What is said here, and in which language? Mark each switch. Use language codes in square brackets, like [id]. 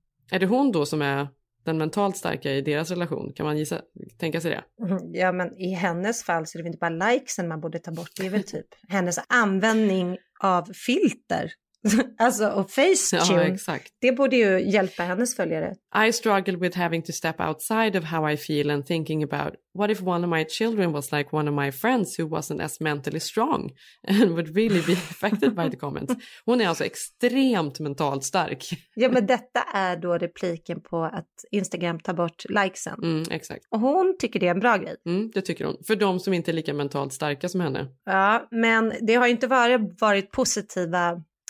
[sv] Är det hon då som är den mentalt starka i deras relation? Kan man gissa, tänka sig det? Ja, men i hennes fall så är det inte bara likesen man borde ta bort. Det är väl typ hennes användning av filter. Alltså, och facetune. Ja, exakt. Det borde ju hjälpa hennes följare. [en] I struggle with having to step outside of how I feel and thinking about what if one of my children was like one of my friends who wasn't as mentally strong and would really be affected by the comments. [sv] Hon är alltså extremt mentalt stark. Ja, men detta är då repliken på att Instagram tar bort likesen. Mm, exakt. Och hon tycker det är en bra grej. Mm, det tycker hon. För de som inte är lika mentalt starka som henne. Ja, men det har ju inte varit positiva.